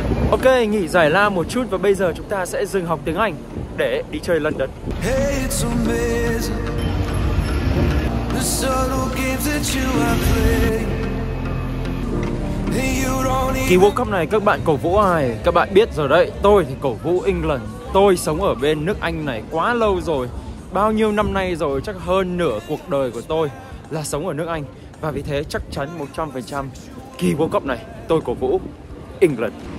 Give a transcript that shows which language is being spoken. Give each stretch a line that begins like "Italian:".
Vietnamese: Ok, nghỉ giải lao một chút và bây giờ chúng ta sẽ dừng học tiếng Anh để đi chơi London.
English: Hey, it's amazing. The subtle games that you have played. Hey, you don't even...
Vietnamese: Kỳ World Cup này các bạn cổ vũ ai? Các bạn biết rồi đấy, tôi thì cổ vũ England. Tôi sống ở bên nước Anh này quá lâu rồi. Bao nhiêu năm nay rồi, chắc hơn nửa cuộc đời của tôi là sống ở nước Anh. Và vì thế chắc chắn 100% kỳ World Cup này tôi cổ vũ England.